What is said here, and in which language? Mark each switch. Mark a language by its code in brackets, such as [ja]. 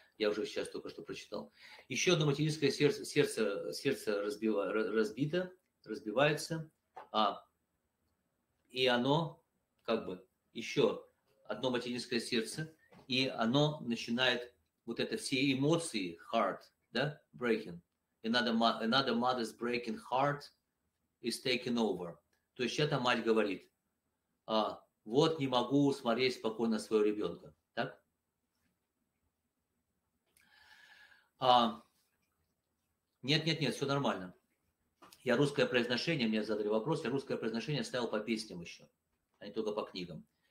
[ru] Я уже сейчас только что прочитал. Еще одно материнское сердце разбито, разбивается, и оно, как бы, еще одно материнское сердце, и оно начинает вот это все эмоции, heart, да, breaking. [en] Another mother's breaking heart is taking over. [ru] То есть эта мать говорит, вот не могу смотреть спокойно своего ребенка. Так? Нет, все нормально. Я русское произношение, мне задали вопрос, я русское произношение ставил по песням еще, а не только по книгам.